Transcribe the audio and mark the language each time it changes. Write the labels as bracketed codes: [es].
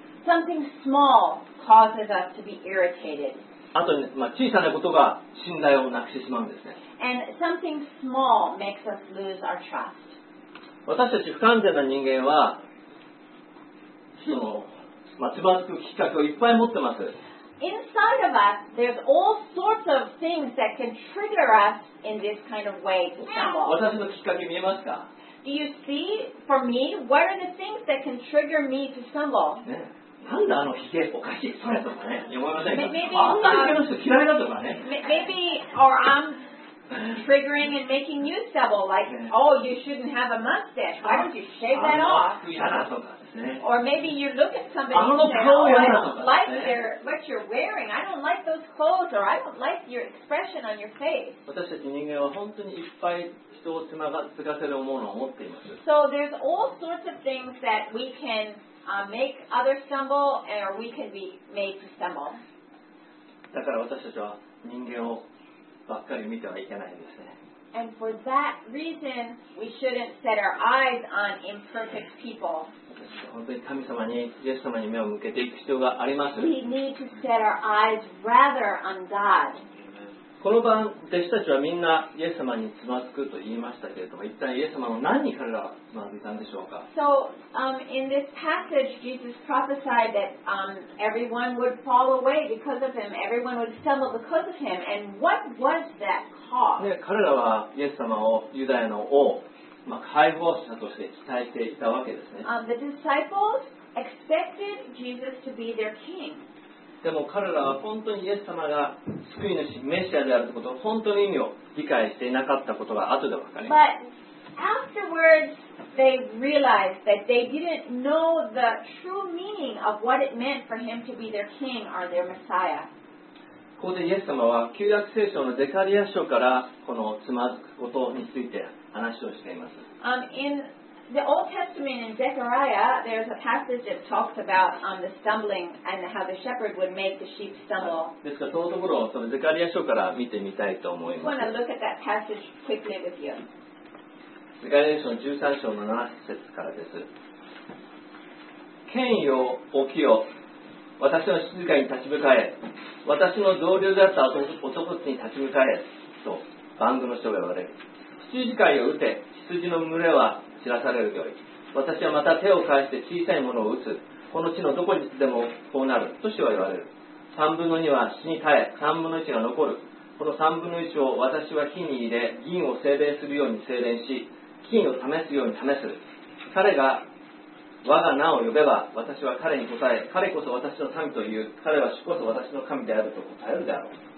[en] Something small causes us to be irritated. [ja] あと、まあ、小さなことが信頼をなくしてしまうんですね。 [en] And something small makes us lose our trust. [ja] 私たち不完全な人間はその、まあ、つまずくきっかけをいっぱい持ってます。 [en] Inside of us, there's all sorts of things that can trigger us in this kind of way to stumble. [ja] 私のきっかけ見えますか？ [en] Do you see, for me, what are the things that can trigger me to stumble?、 [ja] ねなんだあのひげおかしいそれとかね思いませんか maybe, あんなひげの人嫌いだとかね [en] maybe or I'm triggering and making you stumble like oh you shouldn't have a mustache why don't you shave that off [ja] あの服嫌だとかですね [en] or maybe you look at somebody and say oh I don't like their, what you're wearing I don't like those clothes or I don't like your expression on your face [ja] 私たち人間は本当にいっぱい人をつまがつかせるものを持っています [en] so there's all sorts of things that we canmake others stumble, and we can be made to stumble. [ja] だから私たちは人間をばっかり見てはいけないですね。 [en] And for that reason, we shouldn't set our eyes on imperfect people. [ja] 本当に神様に、イエス様に目を向けていく必要があります。 [en] We need to set our eyes rather on God. [ja] この晩、弟子たちはみんなイエス様につまずくと言いましたけれども、一体イエス様の何に彼らはつまずいたんでしょうか [en] ？So, in this passage, Jesus prophesied that everyone would fall away because of him. Everyone would stumble because of him. And what was that cause？ [ja] ね、彼らはイエス様をユダヤの王、まあ、解放者として期待していたわけですね。 [en] The disciples expected Jesus to be their king. [ja] でも彼らは本当にイエス様が救い主、メシアであるということを本当の意味を理解していなかったことが後で分かります。 [en] But afterwards, they realized that they didn't know the true meaning of what it meant for him to be their king or their Messiah. [ja] ここでイエス様は旧約聖書のゼカリア書からこのつまずくことについて話をしています。 [en] In the Old Testament in Zechariah, there's a passage that talks about the stumbling and how the shepherd would make the sheep stumble. [ja] ですからそのところをそのゼカリア書から見てみたいと思います。 [en] I want to look at that passage quickly with you. [ja] ゼカリア書の13章の7節からです。権威を置きよ。私の静かに立ち向かえ。私の同僚であった男に立ち向かえ。と、万軍の主が言われる。羊飼いを打て、羊の群れは、知らされるより私はまた手を返して小さいものを打つこの地のどこにでもこうなると主は言われる3分の2は死に耐え3分の1が残るこの3分の1を私は火に入れ銀を精錬するように精錬し金を試すように試す彼が我が名を呼べば私は彼に答え彼こそ私の神という彼は主こそ私の神であると答えるであろう